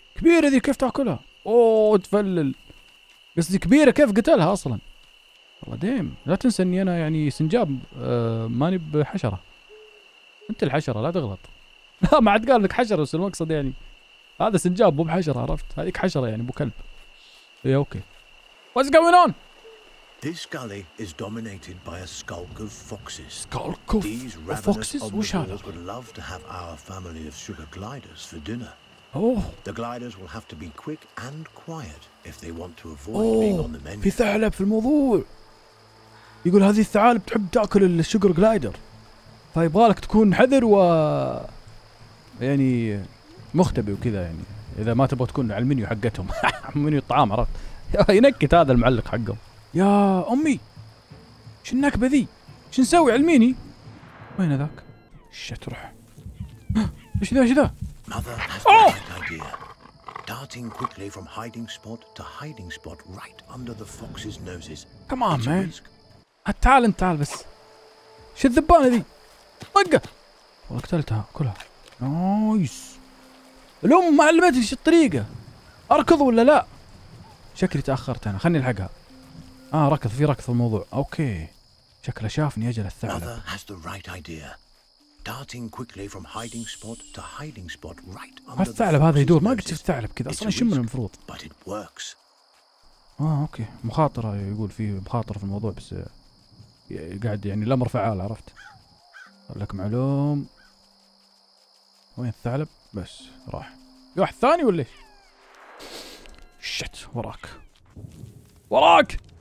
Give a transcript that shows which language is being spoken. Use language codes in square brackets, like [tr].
[ar] كبيرة ذي، كيف تأكلها؟ أوه تفلل، قصدي كبيرة، كيف قتلها أصلا؟ والله ديم، لا تنسى اني انا يعني سنجاب، ماني بحشرة. انت الحشرة، لا تغلط. لا، ما عاد قال لك حشرة، بس المقصد يعني هذا سنجاب مو بحشرة، عرفت؟ هذيك حشرة يعني ابو كلب. اي اوكي. [en] What's going on? This gully is dominated by a skulk of foxes. Skulk of foxes? [ar] وش هذا؟ [en] These would love to have our family of sugar gliders for dinner. Oh. The gliders will have to be quick and quiet if they want to avoid being on the menu. [ar] في ثعلب في الموضوع. يقول هذه الثعالب تحب تأكل الشجر جلايدر، فيبغالك تكون حذر و يعني مختبئ وكذا، يعني إذا ما تبغى تكون على المنيو حقتهم. منيو الطعام، عرفت؟ ينكت هذا المعلق حقهم. يا أمي، شو النكبة ذي؟ شو نسوي علميني؟ وين ذاك؟ شت، روح. إيش ذا؟ [en] Mother has a bright idea. Darting quickly from hiding spot to hiding spot right under the fox's noses. Come on, man. [ar] تعال انت، تعال بس. شو الذبانة ذي؟ طقه وقتلتها كلها. نايس. الأم ما علمتني شو الطريقة. أركض ولا لا؟ شكلي تأخرت أنا، خلني ألحقها. آه ركض، في ركض الموضوع. أوكي. شكله شافني أجل الثعلب. [en] Mother has the right idea. Darting quickly from hiding spot to hiding spot right under the. [ar] الثعلب هذا يدور، ما قلت الثعلب كذا أصلاً شمنه المفروض. [en] But it works. [ar] آه أوكي، مخاطرة، يقول في مخاطرة في الموضوع بس قاعد يعني الأمر فعال، عرفت؟ أقول لك معلوم. وين الثعلب؟ بس راح. في واحد ثاني ولا ايش؟ شت، وراك وراك.